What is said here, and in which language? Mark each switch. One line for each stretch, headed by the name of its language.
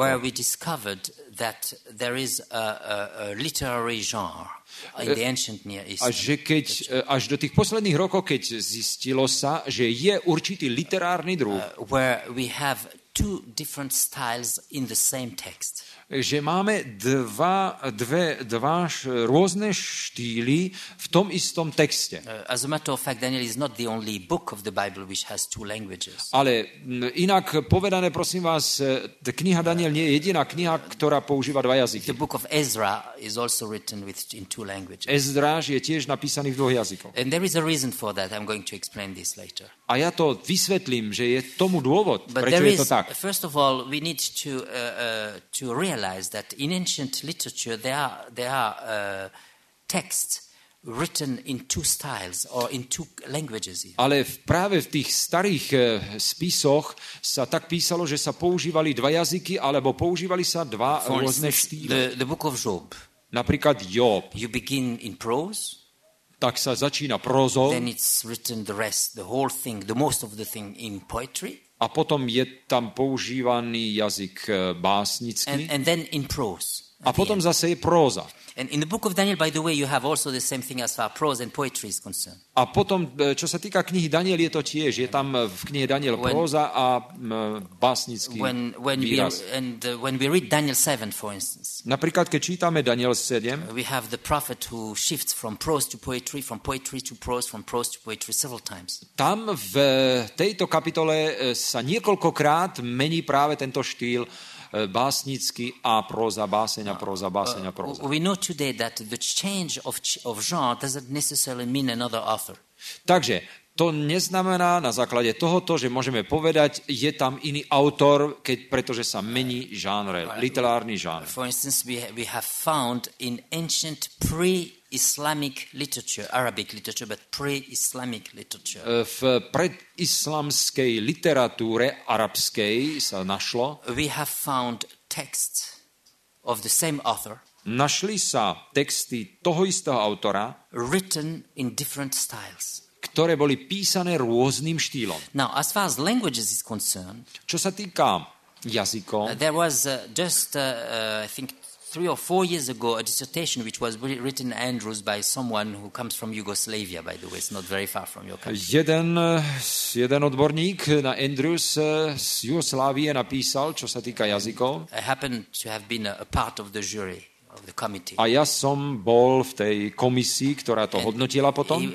English: where we discovered that there is a literary genre in the ancient Near East.
Slovak: Až do tých posledných rokov, keď zistilo sa, že je určitý literárny druh,
English: where we have two different styles in the same text.
Slovak: Že máme dva rôzne štýly v tom istom texte.
English: As a matter of fact, Daniel is not the only book of the Bible which has two languages.
Slovak: Ale inak povedané, prosím vás, kniha Daniel nie je jediná kniha, ktorá používa dva jazyky.
English: The book of Ezra is also written in two languages.
Slovak: Ezdráž je tiež napísaný v dvoch jazykoch.
English: And there is a reason for that. I'm going to explain this later.
Slovak: A ja to vysvetlím, že je tomu dôvod,
English: but
Slovak: prečo
English: there
Slovak: je to tak.
English: First of all, we need to realize that in ancient literature there are texts written in two styles or in two languages.
Slovak: Ale práve v tých starých spisoch sa tak písalo, že sa používali dva jazyky alebo používali sa dva rôzne štýly.
English: The book of Job.
Slovak: Napríklad Job.
English: You begin in prose.
Slovak: Tak sa začína prózou.
English: Then it's written the rest, the whole thing, the most of the thing in poetry.
Slovak: A potom je tam používaný jazyk básnický.
English: And then in prose.
Slovak: A potom zase je próza.
English: And in the book of Daniel, by the way, you have also the same thing as far prose and poetry is concerned.
Slovak: A potom, čo sa týka knihy Daniel, je to tiež. Je tam v knihe Daniel próza a básnický výraz.
English: When we read Daniel 7, for instance.
Slovak: Napríklad, keď čítame Daniel 7,
English: we have the prophet who shifts from prose to poetry, from poetry to prose, from prose to poetry several times.
Slovak: Tam v tejto kapitole sa niekoľkokrát mení práve tento štýl básnický a próza, báseň a próza, báseň a próza.
English: We know today that the change of genre doesn't necessarily mean another author.
Slovak: Takže to neznamená na základe tohoto, že môžeme povedať, je tam iný autor, pretože sa mení žánre, literárny žánr.
English: For instance, we have found in ancient pre-Islamic literature, Arabic literature, but pre-Islamic literature.
Slovak: V predislamskej literatúre arabskej sa našlo.
English: We have found texts of the same author.
Slovak: Našli sa texty toho istého autora.
English: Written in different styles.
Slovak: Ktoré boli písané rôznym štýlom.
English: Now, as far as languages is concerned,
Slovak: čo sa týka jazykov,
English: there was I think 3 or 4 years ago a dissertation which was written in Andrews by someone who comes from Yugoslavia, by the way, it's not very far from your country.
Slovak: Jeden odborník na Andrews z Jugoslávie napísal, čo sa týka jazykov.
English: I happened to have been a part of the jury.
Slovak: A ja som bol v tej komisii, ktorá to hodnotila potom.